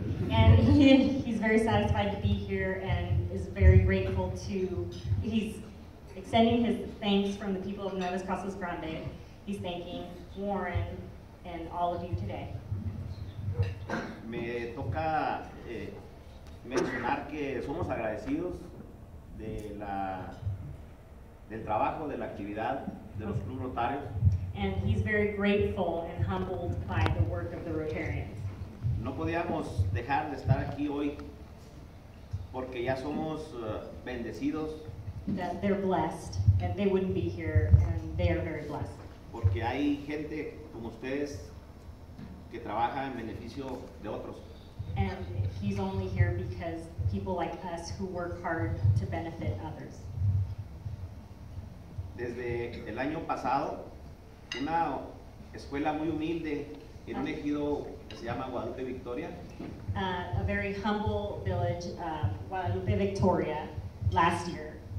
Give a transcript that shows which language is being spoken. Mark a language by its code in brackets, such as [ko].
[en] And he's very satisfied to be here and is very grateful to. He's extending his thanks from the people of Nuevo Casas Grande. He's thanking Warren and all of you today. [es] Me toca mencionar que somos agradecidos de la del trabajo, de la actividad de los Club Rotarios. [en] And he's very grateful and humbled by the work of the Rotarians. [es] No podíamos dejar de estar aquí hoy porque ya somos bendecidos. [en] That they're blessed, that they wouldn't be here, and they are very blessed. [es] Porque hay gente como ustedes que trabaja en beneficio de otros. [en] And he's only here because people like us who work hard to benefit others. [es] Desde el año pasado, una escuela muy humilde en un ejido que se llama Guadalupe Victoria. [en] A very humble village, Guadalupe Victoria, last year.